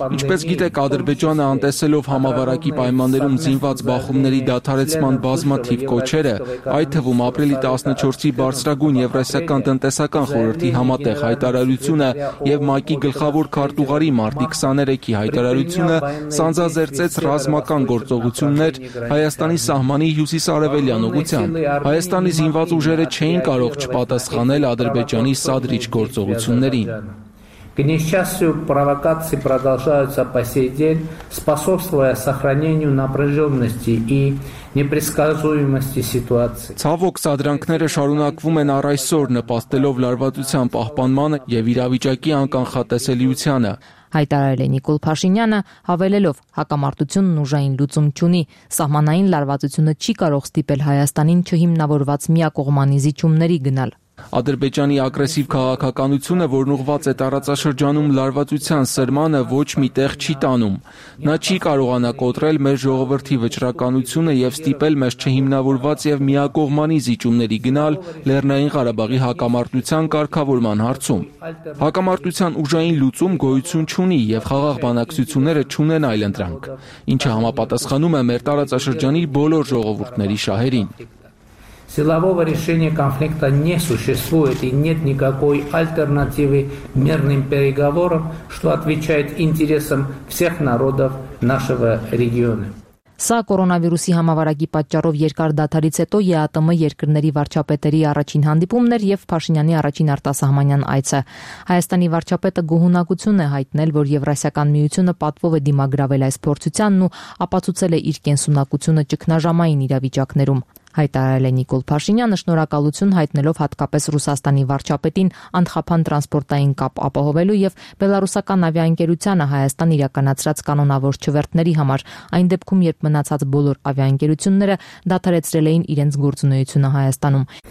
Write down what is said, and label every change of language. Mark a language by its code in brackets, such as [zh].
[hy] Ինչպես գիտեք, Ադրբեջանը անտեսելով համավարակի պայմաններում զինված բախումների դադարեցման բազմաթիվ կոչերը, այդ թվում ապրիլի 14-ի բարձրագույն Եվրասիական տնտեսական խորհրդի համատեղ հայտարարությունը և ՄԱԿ-ի գլխավոր քարտուղարի մարտի 23-ի հայտարարությունը սանձազերծեց ռազմական գործողություններ Հայաստանի սահմանի հյուսիսարևելյան ուղղությամբ։ Հայաստանի զինված ուժերը չէին կարող չպատասխանել Ադրբեջանի սադրիչ գործողություններին։ [ru] К несчастью, провокации продолжаются по сей день, способствуя сохранению напряженности и непредсказуемости ситуации. [hy] Ցավոք, սադրանքները շարունակվում են առայսօր, նպաստելով լարվածության պահպանմանը և իրավիճակի անկանխատեսելիությանը։ Հայտարարել է Նիկոլ Փաշինյանը, հավելելով, հակամարտությունն ուժային լուծում չունի, սահմանային լարվածությունը չի կարող ստիպել Հայաստանին չհիմնավորված միակողմանի զիջումների գնալ։ Ադրբեջանի ագրեսիվ քաղաքականությունը, որն ուղղված է տարածաշրջանում լարվածության սրմանը, ոչ մի տեղ չի տանում։ Նա չի կարողանա կոտրել մեր ժողովրդի վճռականությունը և ստիպել մեզ չհիմնավորված և միակողմանի զիջումների գնալ Լեռնային Ղարաբաղի հակամարտության կարգավորման հարցում։ Հակամարտության ուժային լուծում գոյություն չունի և խաղաղ բանակցությունները չունեն այլ ընտրանք, ինչը համապատասխանում է մեր տարածաշրջանի բոլոր ժողովուրդների շահերին։ [ru] Силового решения конфликта не существует и нет никакой альтернативы мирным переговорам, что отвечает интересам всех народов нашего региона. [hy] Սա կորոնավիրուսի համավարակի պատճառով երկար դադարից հետո ԵԱՏՄ երկրների վարչապետերի առաջին հանդիպումն էր և Փաշինյանի առաջին արտասահմանյան այցը։ Հայաստանի վարչապետը գոհունակություն է հայտնել, որ Եվրասիական միությունը պատվով է դիմագրավել այս փորձությանն ու ապացուցել է իր կենսունակությունը ճգնաժամային իրավիճակներում։ Հայտարարել է Նիկոլ Փաշինյանը, շնորհակալություն հայտնելով հատկապես Ռուսաստանի վարչապետին անխափան տրանսպորտային կապ ապահովելու և բելարուսական ավիաընկերությանը Հայաստան իրականացրած կանոնավոր չվերթների համար, այն դեպքում, երբ մնացած բոլոր ավիաընկերությունները դադարեցրել էին իրենց գործունեությունը Հայաստանում։